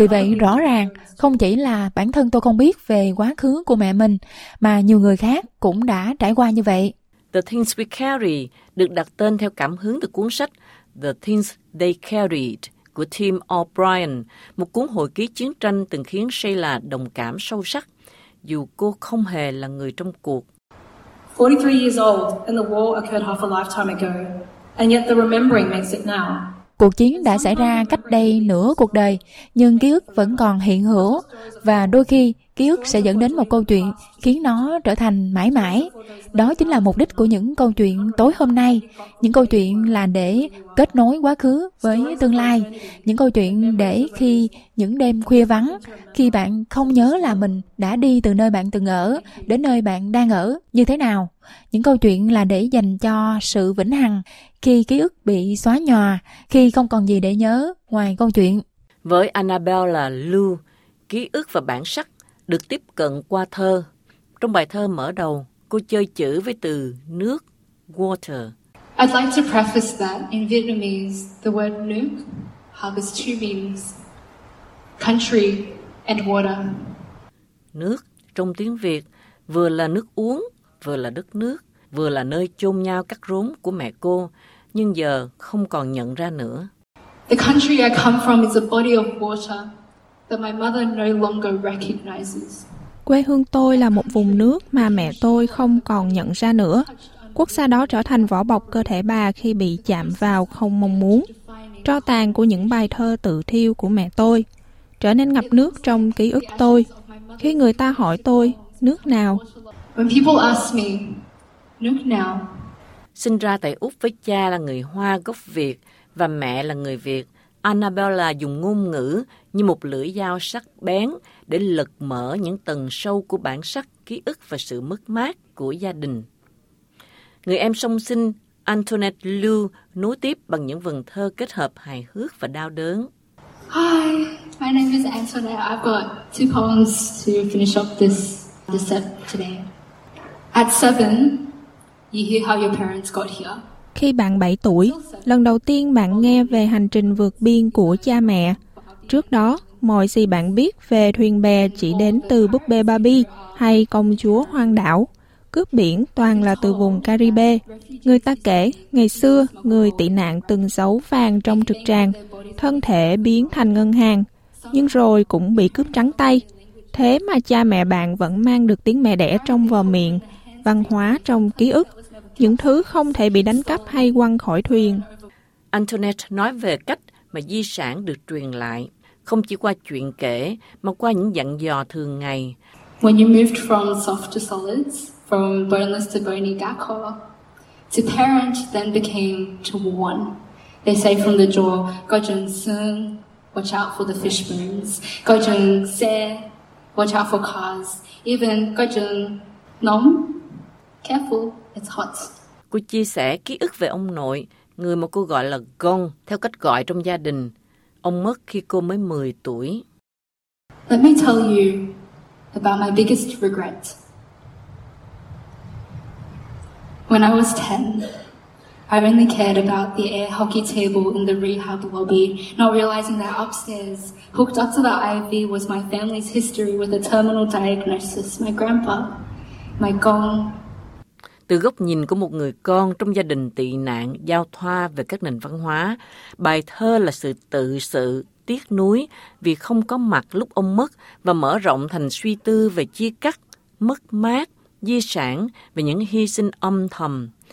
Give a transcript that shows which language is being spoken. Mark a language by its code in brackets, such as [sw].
[vi] Vì vậy rõ ràng không chỉ là bản thân tôi không biết về quá khứ của mẹ mình mà nhiều người khác cũng đã trải qua như vậy. The Things We Carry được đặt tên theo cảm hứng từ cuốn sách The Things They Carried của Tim O'Brien, một cuốn hồi ký chiến tranh từng khiến Sheila đồng cảm sâu sắc, dù cô không hề là người trong cuộc. [en] 43 years old and the war occurred half a lifetime ago, and yet the remembering makes it now. [vi] Cuộc chiến đã xảy ra cách đây nửa cuộc đời, nhưng ký ức vẫn còn hiện hữu, và đôi khi ký ức sẽ dẫn đến một câu chuyện khiến nó trở thành mãi mãi. Đó chính là mục đích của những câu chuyện tối hôm nay. Những câu chuyện là để kết nối quá khứ với tương lai. Những câu chuyện để khi những đêm khuya vắng, khi bạn không nhớ là mình đã đi từ nơi bạn từng ở đến nơi bạn đang ở như thế nào. Những câu chuyện là để dành cho sự vĩnh hằng, khi ký ức bị xóa nhòa, khi không còn gì để nhớ ngoài câu chuyện. Với Annabella Lou, ký ức và bản sắc được tiếp cận qua thơ. Trong bài thơ mở đầu, cô chơi chữ với từ nước, water. [en] I'd like to preface that in Vietnamese, the word nước harbors two meanings, country and water. [vi] Nước, trong tiếng Việt, vừa là nước uống, vừa là đất nước, vừa là nơi chôn nhau cắt rốn của mẹ cô, nhưng giờ không còn nhận ra nữa. [en] The country I come from is a body of water that my mother no longer recognizes. [vi] Quê hương tôi là một vùng nước mà mẹ tôi không còn nhận ra nữa. Quốc gia đó trở thành vỏ bọc cơ thể bà khi bị chạm vào không mong muốn. Tro tàn của những bài thơ tự thiêu của mẹ tôi trở nên ngập nước trong ký ức tôi. Khi người ta hỏi tôi, nước nào? [en] When people ask me, [vi] nước nào? Sinh ra tại Úc với cha là người Hoa gốc Việt và mẹ là người Việt, Annabella dùng ngôn ngữ như một lưỡi dao sắc bén để lật mở những tầng sâu của bản sắc, ký ức và sự mất mát của gia đình. Người em song sinh Antoinette Lou nối tiếp bằng những vần thơ kết hợp hài hước và đau đớn. [en] Hi, my name is Antoinette. I've got two poems to finish up this set today. At seven, you hear how your parents got here. [vi] Khi bạn 7 tuổi, lần đầu tiên bạn nghe về hành trình vượt biên của cha mẹ. Trước đó, mọi gì bạn biết về thuyền bè chỉ đến từ búp bê Barbie hay công chúa hoang đảo. Cướp biển toàn là từ vùng Caribe. Người ta kể, ngày xưa, người tị nạn từng giấu vàng trong trực tràng, thân thể biến thành ngân hàng, nhưng rồi cũng bị cướp trắng tay. Thế mà cha mẹ bạn vẫn mang được tiếng mẹ đẻ trong vò miệng, văn hóa trong ký ức. Những thứ không thể bị đánh cắp hay quăng khỏi thuyền. Antoinette nói về cách mà di sản được truyền lại, không chỉ qua chuyện kể, mà qua những dặn dò thường ngày. [en] When you moved from soft to solids, from boneless to bony gacor, to parent then became to one. They say from the jaw, Gojong sung, watch out for the fish bones. Gojong se, watch out for cars. Even Gojong nom, careful. It's hot. [vi] Cô chia sẻ ký ức về ông nội, người mà cô gọi là Gong, theo cách gọi trong gia đình. Ông mất khi cô mới 10 tuổi. [en] Let me tell you about my biggest regret. When I was 10, I only cared about the air hockey table in the rehab lobby, not realizing that upstairs, hooked up to the IV, was my family's history with a terminal diagnosis. My grandpa, my Gong. [vi] Từ góc nhìn của một người con trong gia đình tị nạn giao thoa về các nền văn hóa, bài thơ là sự tự sự, tiếc nuối vì không có mặt lúc ông mất và mở rộng thành suy tư về chia cắt, mất mát, di sản và những hy sinh âm thầm.